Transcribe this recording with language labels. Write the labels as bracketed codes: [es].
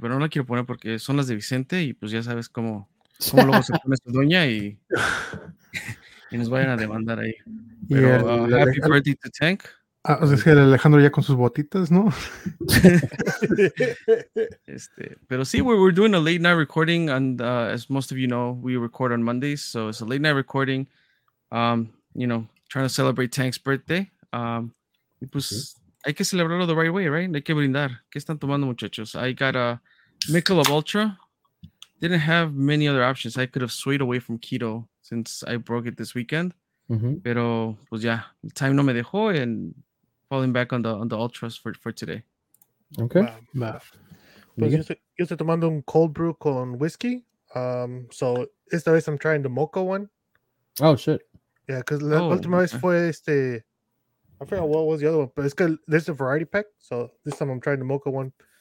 [es] Pero no la quiero poner porque son las de Vicente y pues ya sabes cómo luego se pone su doña y nos vayan a demandar ahí. Pero [en] happy birthday to Tank. [es] Ah, es que el Alejandro ya con sus botitas, ¿no? Pero sí, [en] we're doing a late night recording, and as most of you know, we record on Mondays, so it's a late night recording. You know, trying to celebrate Tank's birthday. [es] Y pues, [en] okay. [es] Hay que celebrarlo [en] the right way, right? [es] Hay que brindar. ¿Qué están tomando, muchachos? [en] I got a Michelob Ultra. Didn't have many other options. I could have swayed away from keto since I broke it this weekend. Mm-hmm. [es] Pero, pues ya, [en] yeah, time [es] no me dejó, [en] and falling back on the ultras for today. Okay. [es] Yo estoy tomando un cold brew con whiskey. [en] So, [es] esta vez [en] I'm trying the mocha one. Oh, shit. Yeah, because [es] la última vez fue [en] I forgot what was the other one, but it's good. This is a variety pack, so this time I'm trying the mocha one.